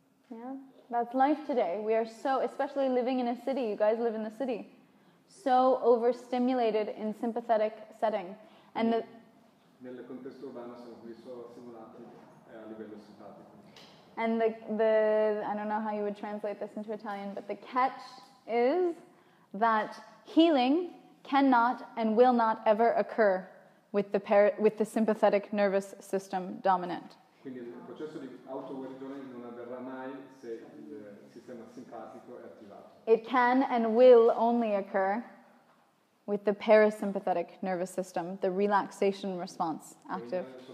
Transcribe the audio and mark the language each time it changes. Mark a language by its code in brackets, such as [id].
[en] Yeah, that's life today. We are so, especially living in a city, you guys live in the city, so overstimulated in sympathetic setting. And [it] nel contesto urbano siamo qui solo stimolati a livello simpatico. [en] And the I don't know how you would translate this into Italian, but the catch is that healing cannot and will not ever occur with the sympathetic nervous system dominant. [it] Quindi il processo di autoguarigione non avverrà mai se il sistema simpatico è attivato. [en] It can and will only occur with the parasympathetic nervous system, the relaxation response active.